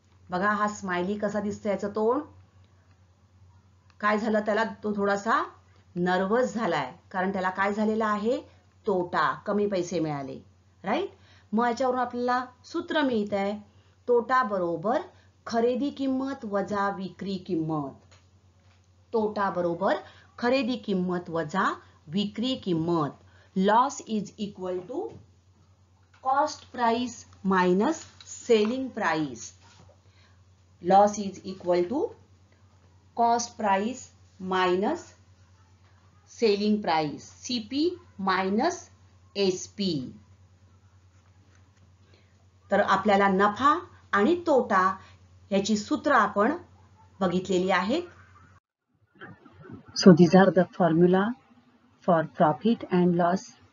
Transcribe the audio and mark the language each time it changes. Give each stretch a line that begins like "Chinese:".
Marathi: बघा हा स्माइली कसा दिसतोय याचं तोंड काय झालं त्याला तो थोडासा नर्वस झालाय कारण त्याला काय झालेला आहे तोटा कमी पैसे मिळाले राईट. मग याच्यावरून आपल्याला सूत्र मिळत आहे तोटा बरोबर खरेदी किंमत वजा विक्री किंमत. तोटा बरोबर खरेदी किंमत वजा विक्री किंमत.
English: Loss is equal to cost price minus selling price. Loss is equal to cost price minus selling price CP minus SP.
Marathi: तर आपल्याला नफा आणि तोटा याची सूत्र आपण बघितलेली आहेत.
English: So these are the formula for profit and loss.